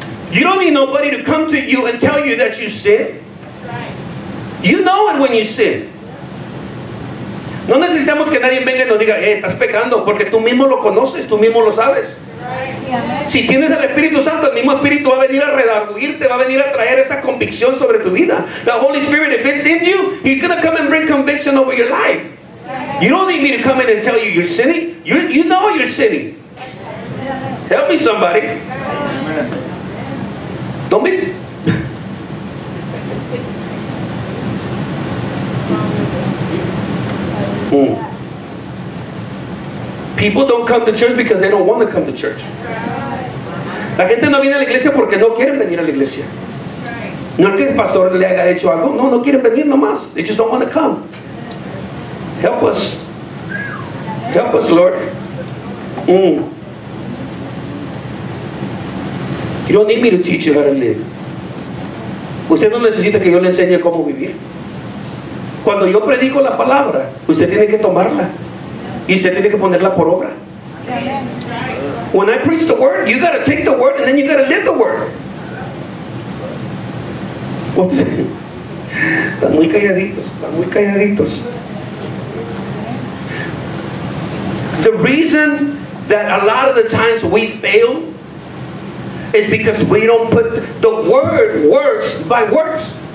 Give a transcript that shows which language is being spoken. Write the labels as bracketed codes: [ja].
[en] You don't need nobody to come to you and tell you that you sin. You know it when you sin. [es] No necesitamos que nadie venga y nos diga, estás pecando, porque tú mismo lo conoces, tú mismo lo sabes. Si tienes al Espíritu Santo, el mismo Espíritu va a venir a redarguirte, va a venir a traer esa convicción sobre tu vida. [en] The Holy Spirit, if it's in you, he's going to come and bring conviction over your life. You don't need me to come in and tell you you're sinning. You know you're sinning. Help me somebody. Don't be. People don't come to church because they don't want to come to church. [es] La gente no viene a la iglesia porque no quieren venir a la iglesia. No es que el pastor le haya hecho algo. No, no quieren venir nomás. [en] They just don't want to come. Help us. Help us, Lord. You don't need me to teach you how to live. [es] Usted no necesita que yo le enseñe cómo vivir. Cuando yo predico la palabra, usted tiene que tomarla. Y usted tiene que ponerla por obra. [en] When I preach the word, you gotta take the word and then you gotta live the word. [es] Están muy calladitos, están muy calladitos. [en] The reason that a lot of the times we fail is because we don't put the word works by works.